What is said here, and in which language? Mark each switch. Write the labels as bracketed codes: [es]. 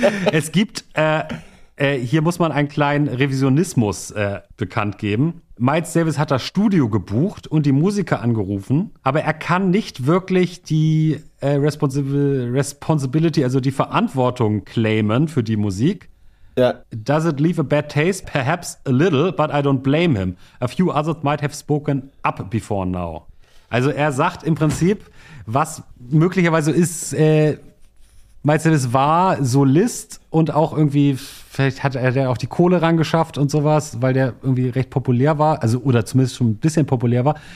[de] Es gibt, hier muss man einen kleinen Revisionismus bekannt geben. Miles Davis hat das Studio gebucht und die Musiker angerufen, aber er kann nicht wirklich die [en] Responsibility, [de] also die Verantwortung claimen für die Musik. Ja. [en] Does it leave a bad taste? Perhaps a little, but I don't blame him. A few others might have spoken up before now. [de] Also er sagt im Prinzip, was möglicherweise ist, Miles Davis war Solist und auch irgendwie, vielleicht hat er auch die Kohle rangeschafft und sowas, weil der irgendwie recht populär war, also oder zumindest schon ein bisschen populär war.